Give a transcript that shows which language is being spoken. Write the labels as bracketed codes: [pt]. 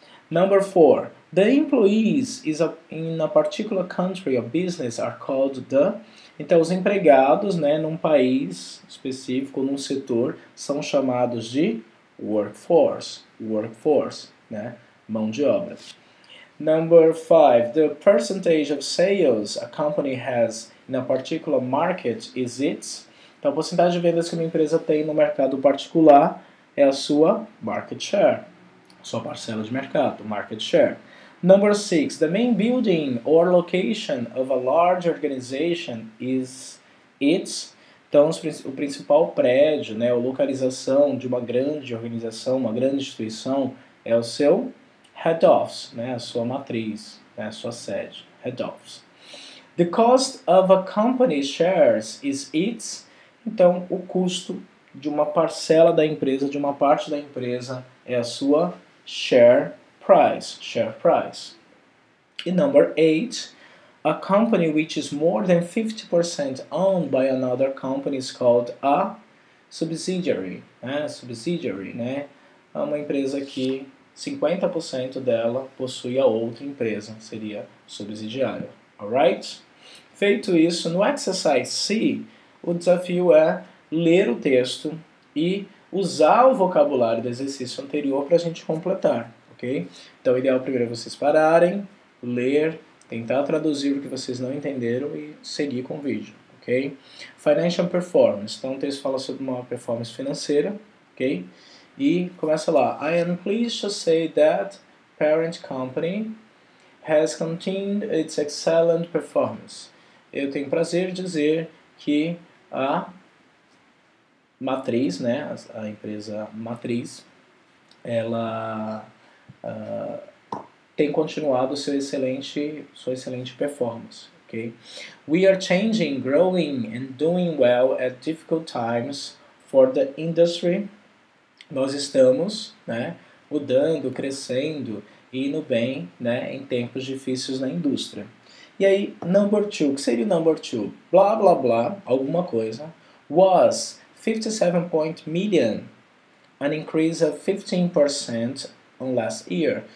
[en] Number four, the employees in a particular country or business are called the. [pt] Então, os empregados, né, num país específico, num setor, são chamados de workforce, né, mão de obra. [en] Number five, the percentage of sales a company has in a particular market is its. [pt] Então, a porcentagem de vendas que uma empresa tem no mercado particular é a sua market share, sua parcela de mercado, market share. [en] Number six, the main building or location of a large organization is its. [pt] Então, o principal prédio, né, a localização de uma grande organização, uma grande instituição, é o seu head office, né, a sua matriz, né, a sua sede, head office. [en] The cost of a company's shares is its. [pt] Então, o custo de uma parcela da empresa, de uma parte da empresa, é a sua share price. [en] Share price. E number 8, a company which is more than 50% owned by another company is called a subsidiary. [pt] Né? Subsidiary, né? É uma empresa que 50% dela possui a outra empresa, seria subsidiária. Alright? Feito isso, no exercise C, o desafio é ler o texto e usar o vocabulário do exercício anterior para a gente completar, ok? Então, o ideal primeiro é vocês pararem, ler, tentar traduzir o que vocês não entenderam e seguir com o vídeo, ok? Financial performance. Então, o texto fala sobre uma performance financeira, ok? E começa lá. [en] I am pleased to say that parent company has continued its excellent performance. [pt] Eu tenho prazer de dizer que a matriz, né, a empresa matriz, ela tem continuado sua excelente performance, ok? [en] We are changing, growing and doing well at difficult times for the industry. [pt] Nós estamos, né, mudando, crescendo e indo bem, né, em tempos difíceis na indústria. E aí, number two, o que seria o number two? Blá, blá, blá, alguma coisa. [en] Was 57 point million, an increase of 15% on last year.